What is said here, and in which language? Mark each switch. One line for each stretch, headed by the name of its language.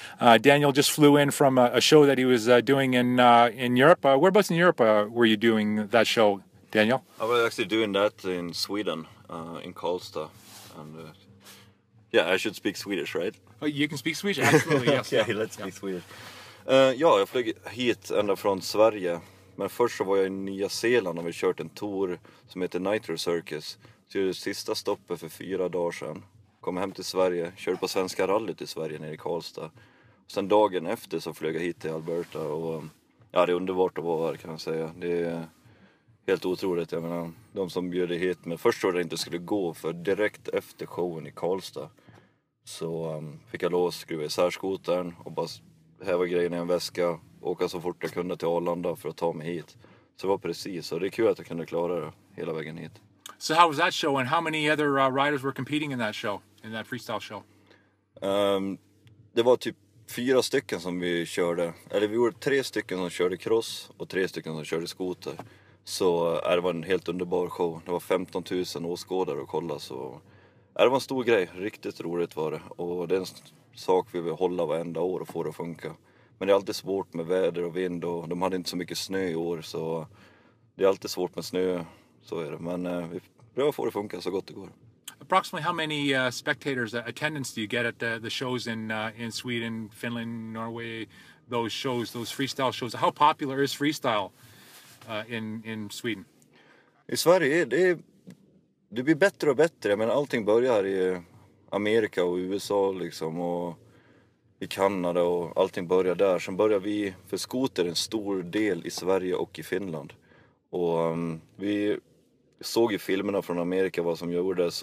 English: Daniel just flew in from a show that he was doing in Europe. Whereabouts in Europe were you doing that show, Daniel? I was actually doing that in Sweden, in Karlstad. And, yeah, I should speak Swedish, right? Oh, you can speak Swedish, absolutely, yes. Okay, yeah, let's speak Swedish.
Swedish: Ja, jag flög hit ända från Sverige. Men först så var jag i Nya Zeeland och vi kört en tour som heter Nitro Circus. Så jag gjorde sista stoppet för 4 dagar sedan. Kom hem till Sverige, körde på Svenska rallyt i Sverige nere i Karlstad. Och sen dagen efter så flög jag hit till Alberta. Och, ja, det är underbart att vara här, kan jag säga. Det är helt otroligt. Jag menar, de som bjöd hit. Men först trodde jag inte skulle gå, för direkt efter showen i Karlstad så fick jag lås, skruva isär skotern och bara häva grejen i en väska. Åka så fort jag kunde till Arlanda för att ta mig hit. Så det var precis. Och det är kul att jag kunde klara det hela vägen hit.
English: So how was that show and how many other riders were competing in that show? In that freestyle show?
Swedish: Det var typ 4 stycken som vi körde. Eller vi gjorde 3 stycken som körde cross och 3 stycken som körde skoter. Så det var en helt underbar show. Det var 15 000 åskådare att kolla. Så det var en stor grej. Riktigt roligt var det. Och det är en sak vi vill hålla varenda år och få det att funka. Men det är alltid svårt med väder och vind och de hade inte så mycket snö i år, så det är alltid svårt med snö, så är det. Men vi prövar få det funka så gott det går.
English: Approximately how many spectators, attendance do you get at the shows in Sweden, Finland, Norway, those shows, those freestyle shows? How popular is freestyle in Sweden?
Swedish: I Sverige, det blir bättre och bättre. Jag menar, allting börjar i Amerika och USA liksom och i Kanada och allting börjar där. Sen börjar vi, för skoter är en stor del i Sverige och i Finland. Och vi såg ju filmerna från Amerika vad som gjordes.